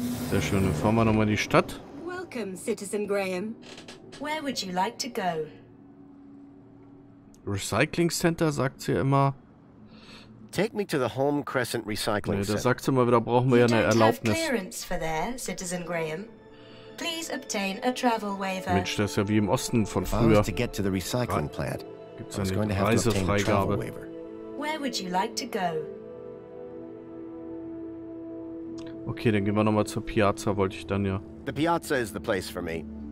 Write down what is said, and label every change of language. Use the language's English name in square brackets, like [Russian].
[German] Sehr schön. Dann fahren wir nochmal in die Stadt. [English] Welcome, Citizen Graham. Where would you like to go? Recycling Center, [German] sagt sie immer. [English] Take me to the Home Crescent Recycling Center. [German] Nee, da sagt sie immer, da brauchen wir ja eine Erlaubnis. [English] You don't have clearance for there, Citizen Graham. Please obtain a travel waiver. [German] Mensch, das ist ja wie im Osten von früher. [English] To get to the recycling plant, [German] gibt's eine Reisefreigabe. [English] Where would you like to go? [German] Okay, dann gehen wir nochmal zur Piazza, wollte ich dann ja. [English] The Piazza is the place for me.